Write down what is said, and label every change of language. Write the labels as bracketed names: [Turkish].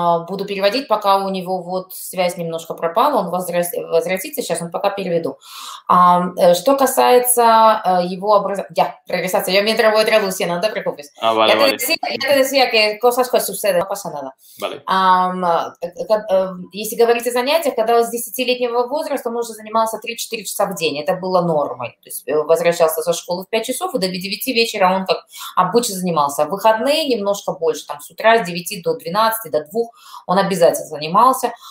[Russian] Буду переводить, пока у него вот связь немножко пропала, он возвратится, сейчас он пока переведу. Что касается его образования... Я, регресация, я [Spanish] mientras voy traduciendo, no te preocupes. Я te decía que cosas que suceden, no pasa nada. Vale. [Russian] Если говорить о занятиях, когда с 10-летнего возраста он уже занимался 3-4 часа в день, это было нормой. То есть возвращался со школы в 5 часов, и до 9 вечера он как обычно занимался. В выходные немножко больше, там с утра с 9 до 12, до 2, он обязательно занимался.